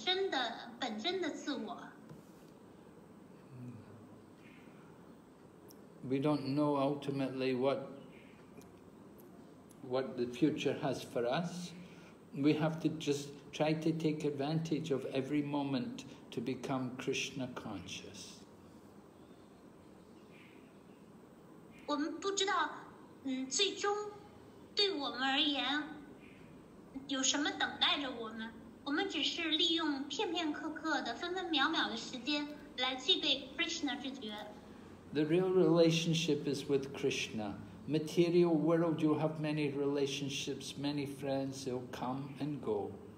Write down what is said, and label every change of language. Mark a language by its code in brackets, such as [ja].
[zh] 做你自己，不要去做别人，做你本身的自我。 [en] We don't know ultimately what the future has for us. We have to just try to take advantage of every moment to become Krishna conscious. [zh] 我们不知道，最终对我们而言有什么等待着我们。我们只是利用片片刻刻的、分分秒秒的时间来具备 Krishna 这觉。 [en] The real relationship is with Krishna. Material world, you have many relationships, many friends, they'll come and go.